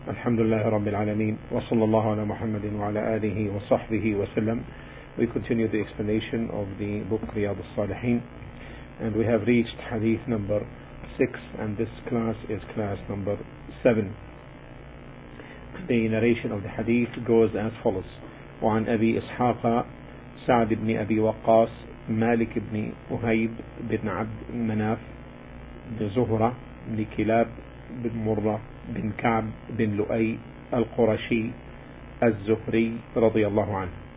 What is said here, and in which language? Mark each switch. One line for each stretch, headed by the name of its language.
Arabic: الحمد لله رب العالمين وصلى الله على محمد وعلى آله وصحبه وسلم.
English: We continue the explanation of the book Riyad al-Salihin, and we have reached hadith number 6, and this class is class number 7. The narration of the hadith goes as follows.
Arabic: وعن أبي إسحاق سعد بن أبي وقاص مالك بن أهيب بن عبد مناف بن زهرة بن كلاب بن مرة بن كعب بن لؤي القرشي الزهري رضي الله عنه